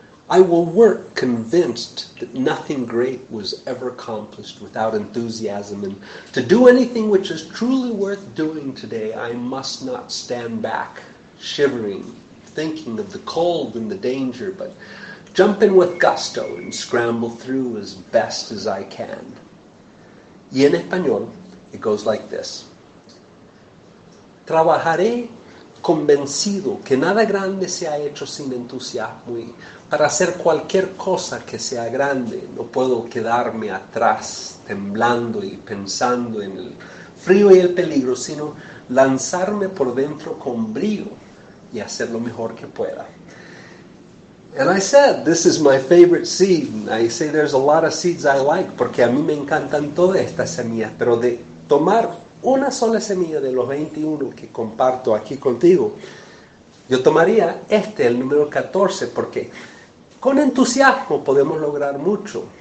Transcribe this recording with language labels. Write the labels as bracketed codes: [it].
[en] I will work convinced that nothing great was ever accomplished without enthusiasm, and to do anything which is truly worth doing today, I must not stand back, shivering, thinking of the cold and the danger, but jump in with gusto and scramble through as best as I can. [es] Y en español, [en] it goes like this. [es] Trabajaré convencido que nada grande se ha hecho sin entusiasmo y para hacer cualquier cosa que sea grande no puedo quedarme atrás temblando y pensando en el frío y el peligro sino lanzarme por dentro con brío y hacer lo mejor que pueda. [en] And I said, this is my favorite seed. And I say there's a lot of seeds I like [es] porque a mí me encantan todas estas semillas, pero de tomar una sola semilla de los 21 que comparto aquí contigo, yo tomaría este, el número 14, porque con entusiasmo podemos lograr mucho.